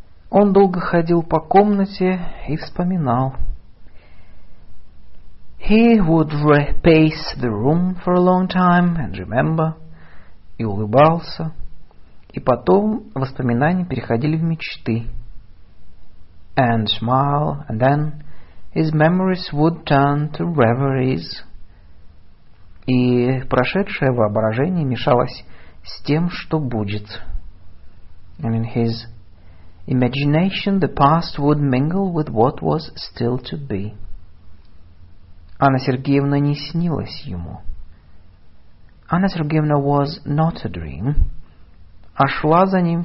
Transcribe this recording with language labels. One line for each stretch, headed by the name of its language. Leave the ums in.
Russian: Он долго ходил по комнате и вспоминал.
English: He would pace the room for a long time and remember.
Russian: И улыбался. И потом воспоминания переходили в мечты.
English: And smile, and then his memories would turn to reveries.
Russian: И прошедшее воображение мешалось с тем, что будет.
English: I mean, his imagination, the past would mingle with what was still to be.
Russian: Anna Sergeyevna не снилась ему. Anna Sergeyevna
English: was not a dream,
Russian: а шла за